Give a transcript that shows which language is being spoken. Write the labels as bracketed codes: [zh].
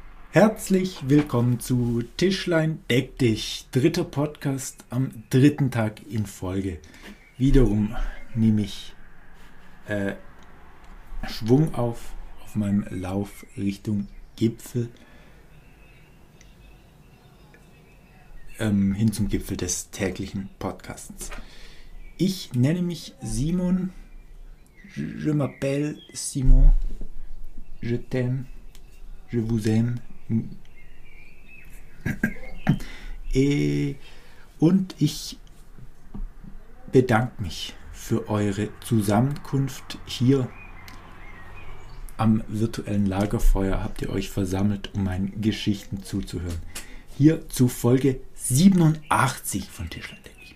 [de] Herzlich willkommen zu Tischlein deck dich, dritter Podcast am dritten Tag in Folge. Wiederum nehme ich Schwung auf meinem Lauf Richtung Gipfel, hin zum Gipfel des täglichen Podcasts. Ich nenne mich Simon, [fr] je m'appelle Simon, je t'aime, je vous aime. [de] Und ich bedanke mich für eure Zusammenkunft hier am virtuellen Lagerfeuer. Habt ihr euch versammelt, um meinen Geschichten zuzuhören? Hier zu Folge 87 von Tischlein deck dich.